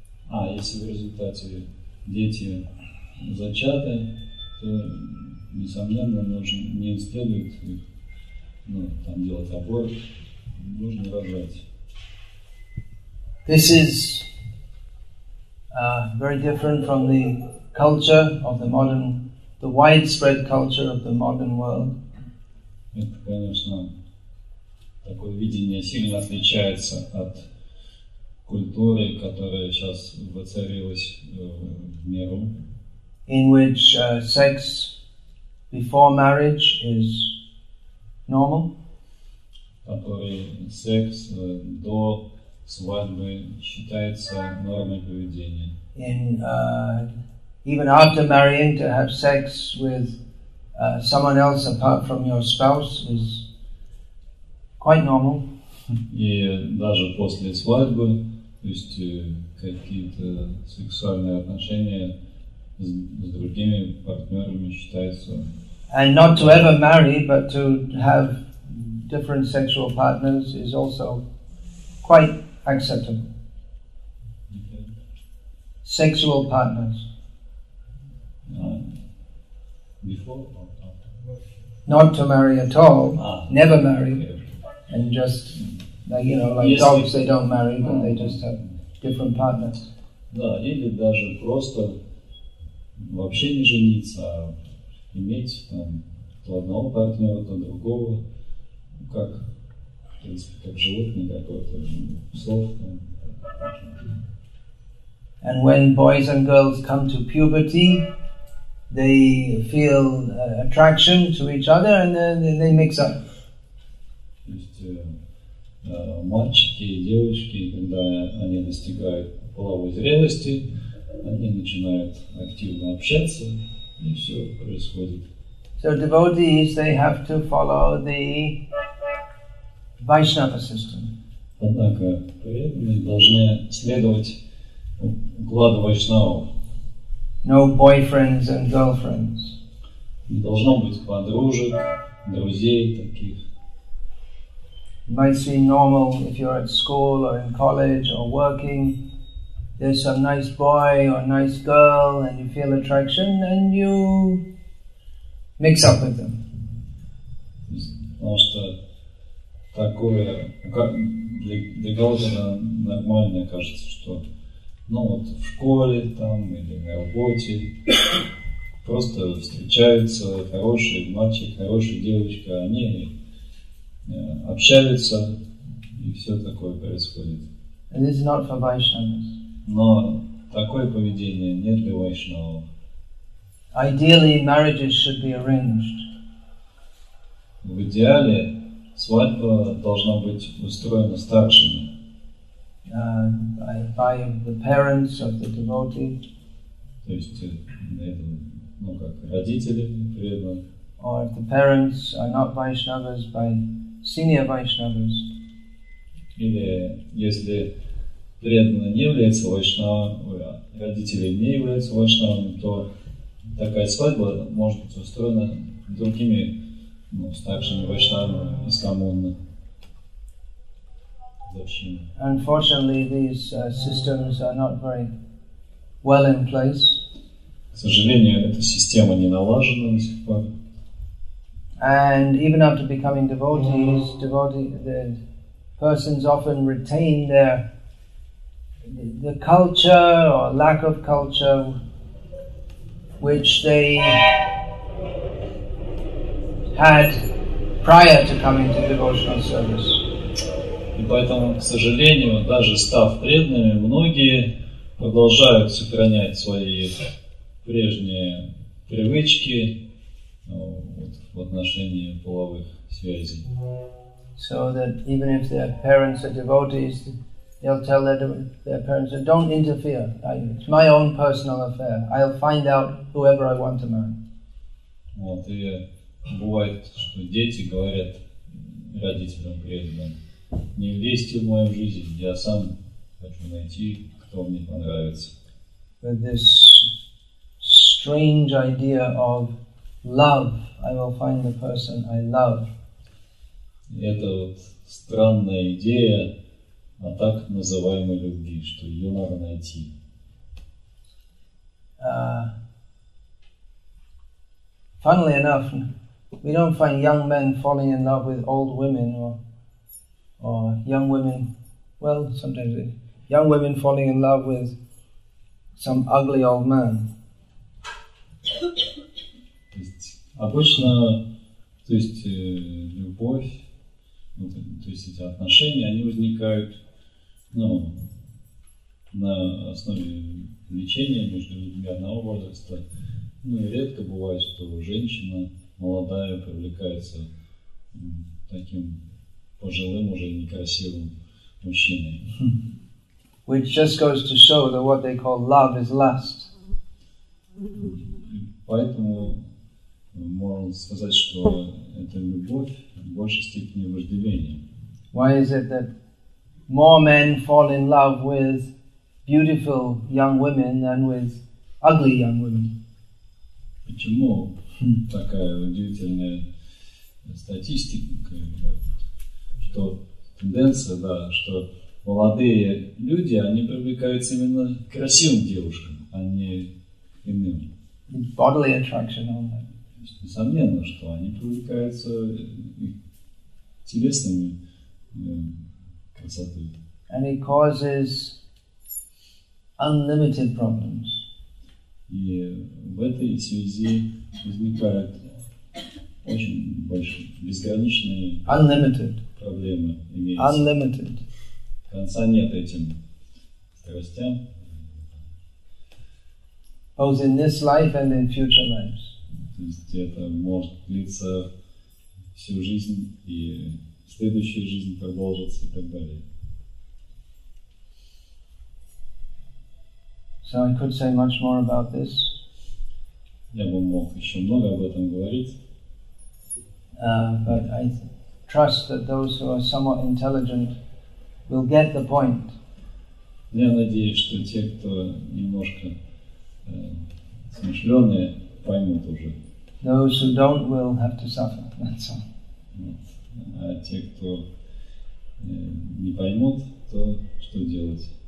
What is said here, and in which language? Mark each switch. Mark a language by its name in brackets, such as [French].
[Russian] А, если в результате дети зачаты, то, несомненно, нужно не следует их там делать аборт, нужно рожать. [English] This is very different from the culture of the modern, the widespread culture of the modern world. [Russian] Это, конечно, такое видение сильно отличается от культуры, которая сейчас воцарилась в миру. [English] In which sex before marriage is normal. [Russian] Который секс до свадьбы считается нормой поведения. [English] In even after marrying, to have sex with someone else apart from your spouse is quite normal. [Russian] И даже после свадьбы, то есть какие-то сексуальные отношения с другими партнерами считаются. [English] And not to ever marry, but to have different sexual partners is also quite acceptable. Sexual partners. Before or after? Not to marry at all, never marry, and just Like, you know, like [Russian] если, [English] dogs, they don't marry, but they just have different partners. [Russian] Да, или даже просто вообще не жениться, а иметь там то одного партнера, то другого, ну, как, в принципе, как животное какое-то, слов там. [English] And when boys and girls come to puberty, they feel attraction to each other, and then they mix up. [Russian] То есть мальчики и девочки, когда они достигают половой зрелости, они начинают активно общаться, и все происходит. [English] So devotees, they have to follow the Vaishnava system. [Russian] Однако преданные должны следовать укладу вайшнавов. [English] No boyfriends and girlfriends. [Russian] Не должно быть подружек, друзей таких. [English] It might seem normal if you're at school or in college or working. There's some nice boy or nice girl and you feel attraction and you mix up with them. [Russian] Потому что такое для кого-то нормально кажется, что ну вот в школе там или на работе просто встречаются хорошие мальчики, хорошие девочки, они общаются и все такое происходит. [English] And this is not for Vaishnavas. [Russian] Но такое поведение не для вайшнавов. [English] Ideally, marriages should be arranged. [Russian] В идеале свадьба должна быть устроена старшими. [English] By the parents of the devotee. [Russian] То есть, ну как, родители преданных. [English] Or if the parents are not Vaishnavas, by senior Vaishnavas. [Russian] Или если преданный не является Вайшнавом, родители не являются Вайшнавом, то такая свадьба может быть устроена другими, ну, старшими Вайшнавами из коммуны. [English] Unfortunately, these systems are not very well in place. [Russian] К сожалению, эта система не налажена до сих пор. [English] And even after becoming devotees, the persons often retain the culture or lack of culture which they had prior to coming to devotional service. [Russian] И поэтому, к сожалению, даже став преданными, многие продолжают сохранять свои прежние привычки в отношении половых связей. [English] So that even if their parents are devotees, they'll tell their parents, don't interfere. It's my own personal affair. I'll find out whoever I want to marry. [Russian] Вот, и бывает, что дети говорят родителям преданным, не лезьте в мою жизнь, я сам хочу найти, кто мне понравится. [English] But this strange idea of love, I will find the person I love. [Russian] Это вот странная идея о так называемой любви, что ее надо найти. [English] Funnily enough, we don't find young men falling in love with old women or young women, well, sometimes young women falling in love with some ugly old man. [Russian] Обычно, то есть любовь, то есть эти отношения, они возникают, ну, на основе влечения между людьми одного возраста. Ну, и редко бывает, что женщина молодая привлекается таким пожилым, уже некрасивым мужчиной. [English] Which just goes to show that what they call love is lust. [Russian] Поэтому можно сказать, что это любовь в большей степени вожделение. [English] Why is it that more men fall in love with beautiful young women than with ugly young women? [Russian] Почему такая удивительная статистика? Что тенденция, да, что молодые люди, они привлекаются именно к красивым девушкам, а не иным. [English] Bodily attraction only. [Russian] Несомненно, что они привлекаются телесными [English] And it causes unlimited problems. [Russian] И в этой связи возникают очень большие безграничные [English] unlimited [Russian] проблемы. Имеются. [English] Unlimited. [Russian] Конца нет этим страстям. [English] Both in this life and in future lives. [Russian] То есть это может длиться всю жизнь и следующая жизнь продолжится и так далее. [English] So I could say much more about this. [Russian] Я бы мог еще много об этом говорить. [English] But I trust that those who are somewhat intelligent will get the point. [Russian] Я надеюсь, что те, кто немножко смышленые, поймут уже. [English] Those who don't will have to suffer. That's all. [Russian] А те, кто не поймут, то что делать?